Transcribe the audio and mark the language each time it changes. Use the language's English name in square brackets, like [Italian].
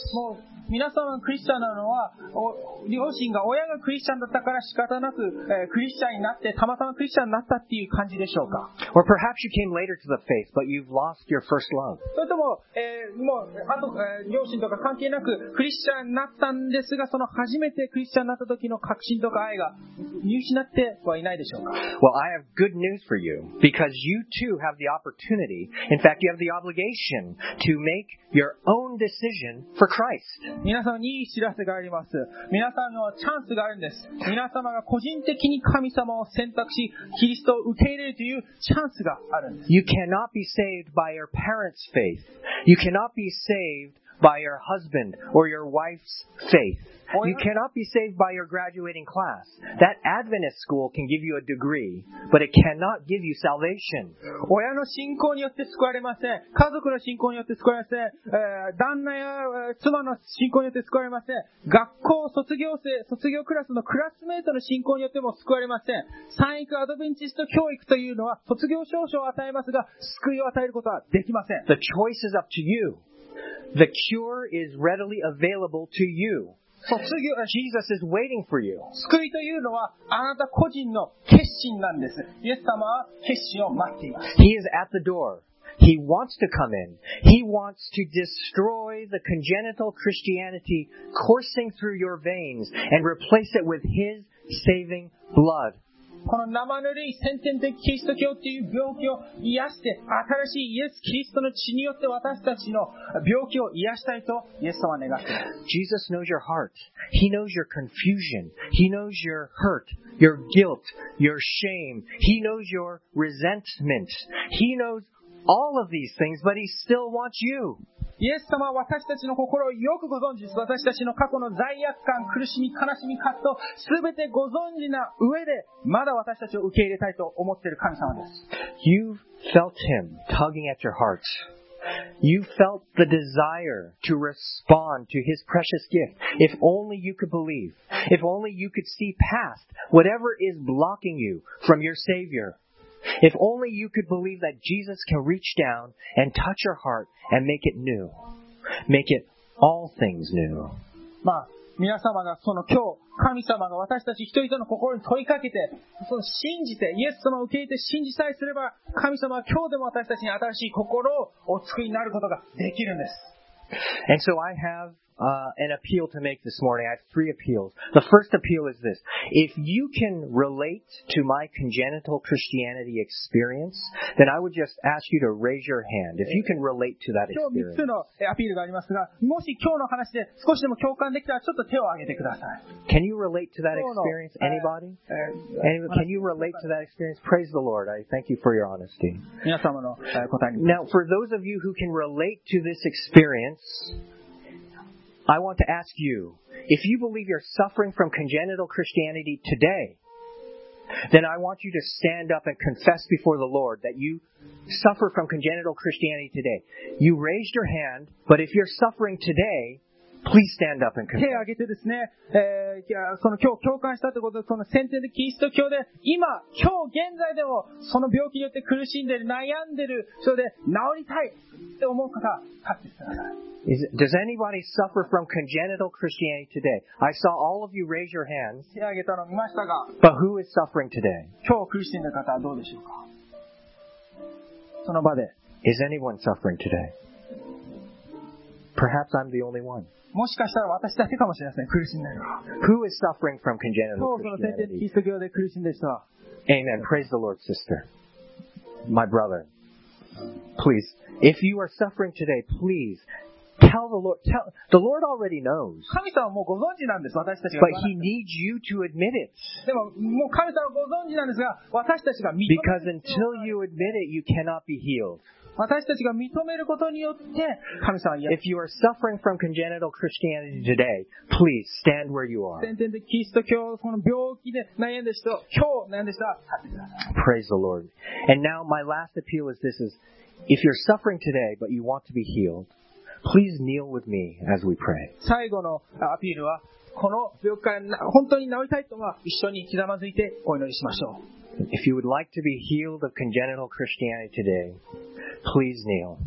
[Japanese] もう皆様がクリスチャンなのは、両親が、親がクリスチャンだったから仕方なく、クリスチャンになって、たまたまクリスチャンになったっていう感じでしょうか? [English] Or perhaps you came later to the faith, but you've lost your first love. [Japanese] それとも、もう、あと、両親とか関係なく、クリスチャンになったんですが、その初めてクリスチャンになった時の確信とか愛が見失ってはいないでしょうか? [English] Well, I have good news for you, because you too have the opportunity, in fact, you have the obligation to make your own decision for Christ. [Japanese] 皆様にいい知らせがあります。皆さんのチャンスがあるんです。皆様が個人的に神様を選択し、キリストを受け入れるというチャンスがあるんです。 [English] You cannot be saved by your parents' faith. You cannot be saved by your husband or your wife's faith. You cannot be saved by your graduating class. That Adventist school can give you a degree, but it cannot give you salvation. [Japanese] 親の信仰によって救われません。家族の信仰によって救われません。旦那や妻の信仰によって救われません。学校卒業クラスのクラスメートの信仰によっても救われません。三育アドベンチスト教育というのは卒業証書を与えますが、救いを与えることはできません。 [English] The choice is up to you. The cure is readily available to you. Jesus is waiting for you. [Japanese] 救いというのはあなた個人の決心なんです。イエス様は決心を待っています。 [English] He is at the door. He wants to come in. He wants to destroy the congenital Christianity coursing through your veins and replace it with His saving blood. [Japanese] この生ぬるい先天的キリスト教という病気を癒して、新しいイエス・キリストの血によって私たちの病気を癒したいとイエス様は願っています。 [English] Jesus knows your heart. He knows your confusion. He knows your hurt, your guilt, your shame. He knows your resentment. He knows all of these things, but He still wants you. [Japanese] イエス様は私たちの心をよくご存知です。私たちの過去の罪悪感、苦しみ、悲しみ、葛藤、すべてご存知な上で、まだ私たちを受け入れたいと思っている神様です。 [English] You've felt Him tugging at your heart. You've felt the desire to respond to His precious gift. If only you could believe. If only you could see past whatever is blocking you from your Savior. If only you could believe that Jesus can reach down and touch your heart and make it new. Make it all things new. [Japanese] まあ、皆様がその今日、神様が私たち人々の心に問いかけて、その信じて、イエス様を受け入れて信じさえすれば、神様は今日でも私たちに新しい心をお作りになることができるんです。 [English] And so I have,an appeal to make this morning. I have three appeals. The first appeal is this. If you can relate to my congenital Christianity experience, then I would just ask you to raise your hand. If you can relate to that experience. [Japanese] 今日3つのアピールがありますが、もし今日の話で少しでも共感できたらちょっと手を挙げてください。 [English] Can you relate to that experience? Anybody? Anyway, can you relate to that experience? Praise the Lord. I thank you for your honesty. [Japanese] 皆様の答え。 [English] Now, for those of you who can relate to this experience,I want to ask you, if you believe you're suffering from congenital Christianity today, then I want you to stand up and confess before the Lord that you suffer from congenital Christianity today. You raised your hand, but if you're suffering today,Please stand up and confess. [Japanese] 手を挙げてですね、その今日共感したということで、その先天的キリスト教で、今日現在でも、その病気によって苦しんでる、悩んでる、それで治りたいって思う方、立ってください。 [English] Does anybody suffer from congenital Christianity today? I saw all of you raise your hands. [Japanese] 手を挙げたの見ましたが、 [English] But who is suffering today? [Japanese] 今日苦しんでる方はどうでしょうか? その場で。 [English] Is anyone suffering today? Perhaps I'm the only one. [Japanese] もしかしたら私だけかもしれません。苦しんでいる。 [English] Who is suffering from congenital Christianity? [Japanese] 今日その先天的キリスト教で苦しんでいる人は。 [English] Amen. Praise the Lord, sister. My brother. Please. If you are suffering today, please tell the Lord. The Lord already knows. [Japanese] 神様はもうご存知なんです。私たちが。 [English] But He needs you to admit it. [Japanese] でももう神様はご存知なんですが、私たちが認めて。 [English] Because until you admit it, you cannot be healed. [Japanese] 私たちが認めることによって神様に [English] If you are suffering from congenital Christianity today, please stand where you are. [Japanese] 先天的キリスト教この病気で悩んでる人、今日悩んでる人は立ってください。 [English] Praise the Lord. And now my last appeal is this is, if you're suffering today, but you want to be healed, please kneel with me as we pray. [Japanese] 最後のアピールは、この病気から本当に治りたいと一緒にひざまずいてお祈りしましょう。 [English] If you would like to be healed of congenital Christianity today, please kneel.